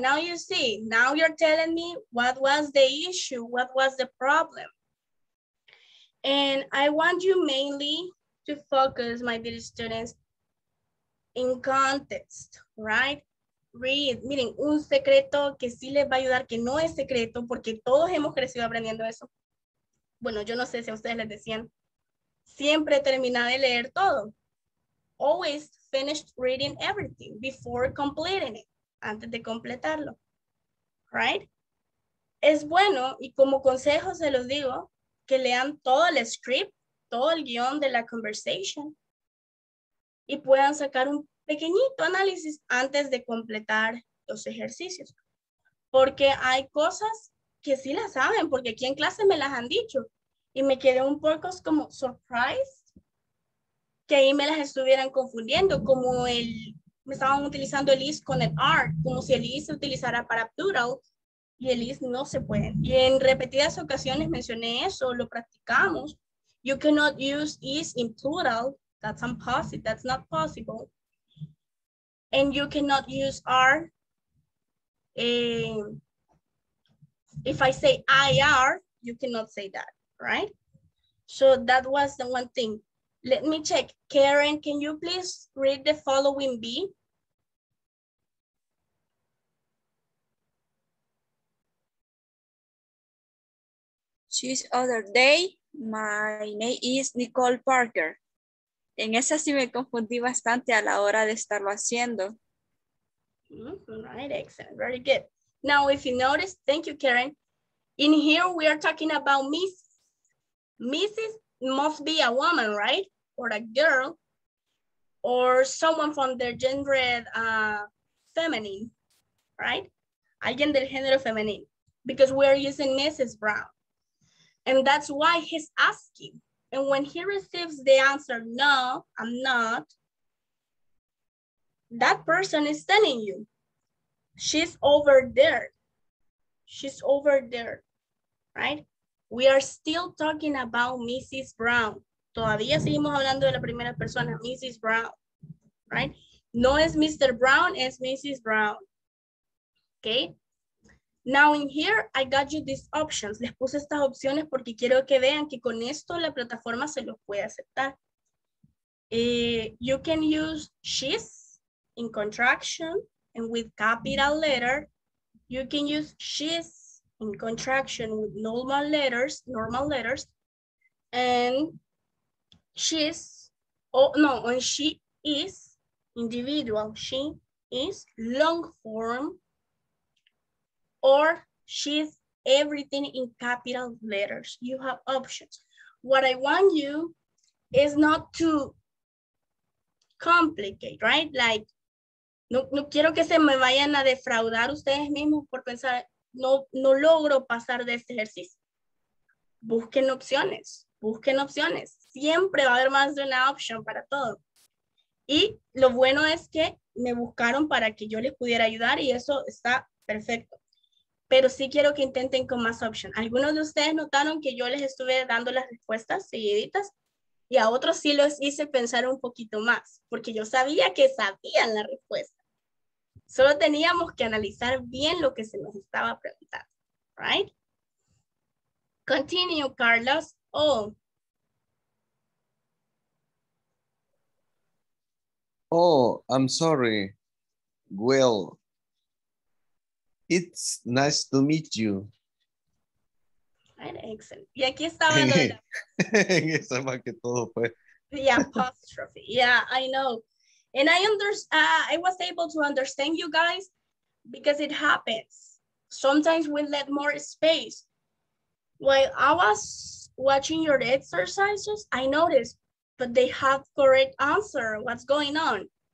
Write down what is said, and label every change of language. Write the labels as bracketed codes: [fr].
[en] Now you see, now you're telling me what was the issue, what was the problem. And I want you mainly to focus, my dear students, in context, right? [es] Read, miren, un secreto que sí les va a ayudar, que no es secreto, porque todos hemos crecido aprendiendo eso. Bueno, yo no sé si a ustedes les decían, siempre termina de leer todo. [en] Always finish reading everything before completing it. [es] Antes de completarlo. Right? Es bueno, y como consejo se los digo, que lean todo el script, todo el guión de la conversation. Y puedan sacar un pequeñito análisis antes de completar los ejercicios. Porque hay cosas que sí las saben, porque aquí en clase me las han dicho. Y me quedé un poco como surprised que ahí me las estuvieran confundiendo, como me estaban utilizando el is con el are, como si el is se utilizara para plural y el is no se puede. Y en repetidas ocasiones mencioné eso, lo practicamos. [en] You cannot use is in plural, that's impossible, that's not possible. And you cannot use are. If I say I are, you cannot say that. Right? So that was the one thing. Let me check. Karen, can you please read the following B? This other day, my name is Nicole Parker. [es] En esa sí me confundí bastante a la hora de estarlo haciendo. [en] Right, excellent, very good. Now, if you notice, thank you, Karen. In here, we are talking about Miss. Mrs. must be a woman, right? Or a girl, or someone from their gender feminine, right? [es] Alguien del género femenino, [en] because we are using Mrs. Brown. And that's why he's asking. And when he receives the answer, no, I'm not, that person is telling you, she's over there. She's over there, right? We are still talking about Mrs. Brown. [es] Todavía seguimos hablando de la primera persona, Mrs. Brown, right? No es Mr. Brown, es Mrs. [en] Brown, okay? Now in here, I got you these options. [es] Les puse estas opciones porque quiero que vean que con esto la plataforma se los puede aceptar. [en] You can use she's in contraction and with capital letter. You can use she's in contraction with normal letters, and she's, oh no, and she is individual. She is long form. Or she's everything in capital letters. You have options. What I want you is not to complicate, right? [es] Like, no quiero que se me vayan a defraudar ustedes mismos por pensar, no logro pasar de este ejercicio. Busquen opciones, busquen opciones. Siempre va a haber más de una opción para todo. Y lo bueno es que me buscaron para que yo les pudiera ayudar y eso está perfecto. Pero sí quiero que intenten con más options. Algunos de ustedes notaron que yo les estuve dando las respuestas seguiditas y a otros sí los hice pensar un poquito más porque yo sabía que sabían la respuesta. Solo teníamos que analizar bien lo que se nos estaba preguntando, right? [en] Continue, Carlos. Oh. Oh, I'm sorry, Will. It's nice to meet you. Right, excellent. [es] Y aquí estaba hablando de la... En esa más que todo fue. [en] The apostrophe. Yeah, I know. And I was able to understand you guys because it happens. Sometimes we let more space. While I was watching your exercises, I noticed, but they have correct answer. What's going on?